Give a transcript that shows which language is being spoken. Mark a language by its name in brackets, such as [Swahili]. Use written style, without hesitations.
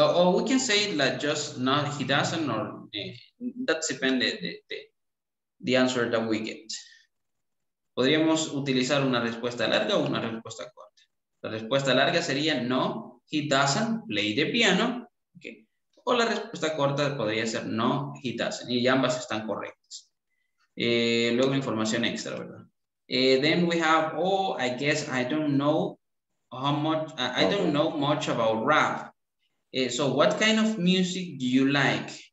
[English] Or we can say that just not, he doesn't, or that depends on the answer that we get. [Spanish] Podríamos utilizar una respuesta larga o una respuesta corta. La respuesta larga sería [English] no, he doesn't play the piano. Okay. [Spanish] O la respuesta corta podría ser no, [English] he doesn't. [Spanish] Y ambas están correctas. Luego información extra, ¿verdad? [English] Then we have, oh, I guess I don't know how much, I don't know much about rap. So what kind of music do you like?